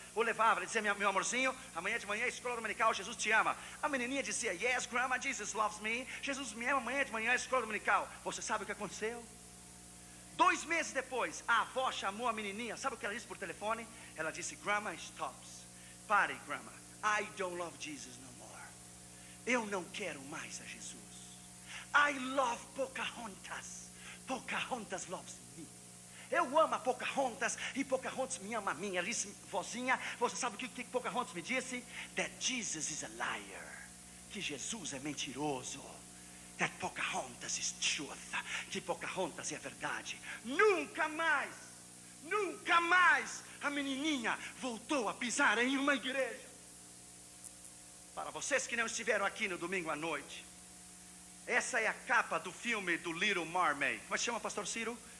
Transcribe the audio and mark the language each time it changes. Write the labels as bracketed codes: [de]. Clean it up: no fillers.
[pt] O levava, ele dizia, meu amorzinho, amanhã de manhã, escola dominical, Jesus te ama. A menininha dizia, [en] yes, grandma, Jesus loves me. [pt] Jesus me ama, amanhã de manhã, escola dominical. Você sabe o que aconteceu? 2 meses depois, a avó chamou a menininha. Sabe o que ela disse por telefone? Ela disse, [en] grandma, stops. [pt] Pare, grandma. [en] I don't love Jesus no more. [pt] Eu não quero mais a Jesus. [en] I love Pocahontas. Pocahontas loves me. [pt] Eu amo a Pocahontas e Pocahontas me ama a mim. Ela disse, vozinha, você sabe o que Pocahontas me disse? [en] That Jesus is a liar. [pt] Que Jesus é mentiroso. [en] That Pocahontas is truth. [pt] Que Pocahontas é a verdade. Nunca mais, nunca mais a menininha voltou a pisar em uma igreja. Para vocês que não estiveram aqui no domingo à noite, essa é a capa do filme do Little Mermaid. Como chama, pastor Ciro?